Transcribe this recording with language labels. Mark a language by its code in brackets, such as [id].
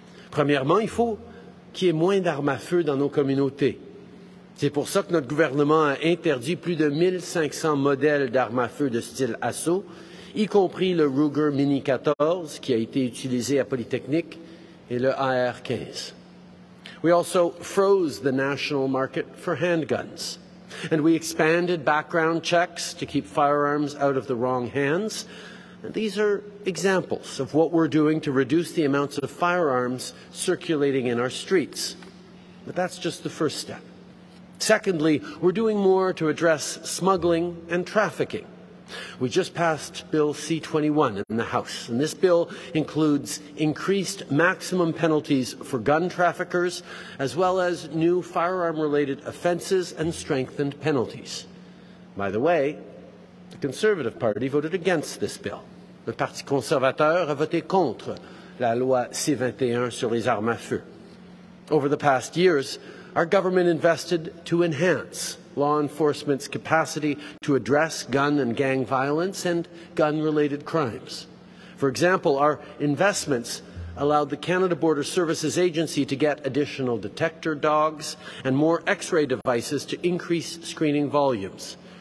[fr] Premièrement, il faut qu'il y ait moins d'armes à feu dans nos communautés. C'est pour ça que notre gouvernement a interdit plus de 1500 modèles d'armes à feu de style assaut, y compris le Ruger Mini 14 qui a été utilisé à Polytechnique et le AR-15. [en] We also froze the national market for handguns. And we expanded background checks to keep firearms out of the wrong hands. And these are examples of what we're doing to reduce the amounts of firearms circulating in our streets. But that's just the first step. Secondly, we're doing more to address smuggling and trafficking. We just passed Bill C-21 in the House, and this bill includes increased maximum penalties for gun traffickers, as well as new firearm-related offences and strengthened penalties. By the way, the Conservative Party voted against this bill. [fr] Le Parti conservateur a voté contre la loi C-21 sur les armes à feu. [en] Over the past years, our government invested to enhance law enforcement's capacity to address gun and gang violence and gun-related crimes. For example, our investments allowed the Canada Border Services Agency to get additional detector dogs and more X-ray devices to increase screening volumes.